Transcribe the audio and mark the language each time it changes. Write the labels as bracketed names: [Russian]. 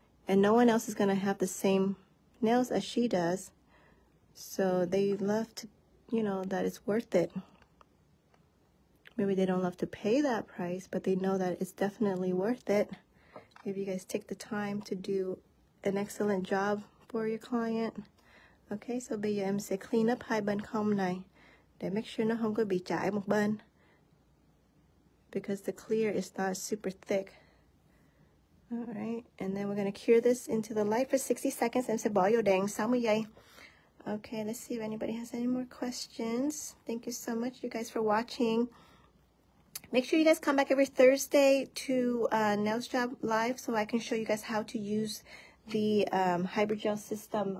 [English] And no one else is going to have the same nails as she does. So they love to, you know, that it's worth it. Maybe they don't love to pay that price, but they know that it's definitely worth it. If you guys take the time to do an excellent job for your client. [Vietnamese] Okay, so bây giờ em sẽ [English] clean up [Vietnamese] hai bên comb này. Để [English] make sure [Vietnamese] nó không có bị chảy một bên. [English] Because the clear is not super thick. All right, and then we're gonna cure this into the light for 60 seconds. And say, "Boyo dang, samuyay." Okay, let's see if anybody has any more questions. Thank you so much, you guys, for watching. Make sure you guys come back every Thursday to Nails Job Live so I can show you guys how to use the hydrogel system.